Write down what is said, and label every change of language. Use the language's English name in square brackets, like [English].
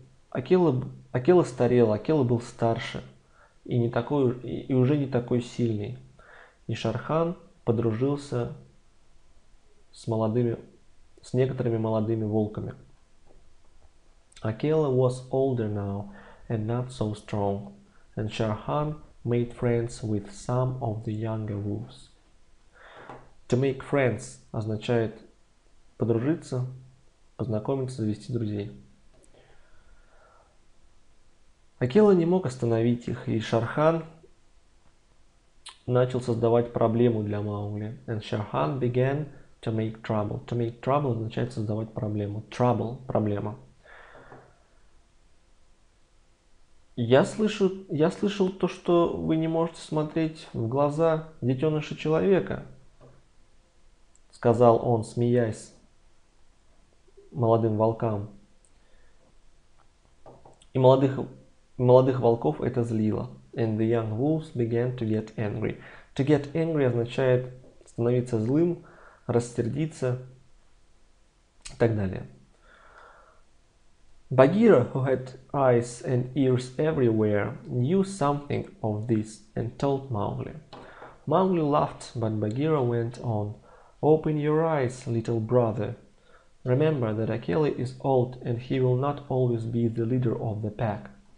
[Russian] Акела старел, Акела был старше и, не такой, и уже не такой сильный. И Шер Хан подружился с некоторыми молодыми волками. [English] Акела was older now and not so strong, and Shere Khan made friends with some of the younger wolves. To make friends [Russian] означает подружиться, познакомиться, завести друзей. Акела не мог остановить их, и Шер Хан начал создавать проблему для Маугли. [English] And Shere Khan began to make trouble. To make trouble [Russian] означает создавать проблему. Trouble – проблема. Я слышал то, что вы не можете смотреть в глаза детеныша человека, сказал он, смеясь молодым волкам. И молодых волков это злило. [English] And the young wolves began to get angry. To get angry [Russian] означает становиться злым, рассердиться и так далее. [English] Багира, who had eyes and ears everywhere, knew something of this and told Mowgli. Mowgli laughed, but Bagheera went on. Open your eyes, little brother. Remember that Akela is old and he will not always be the leader of the pack.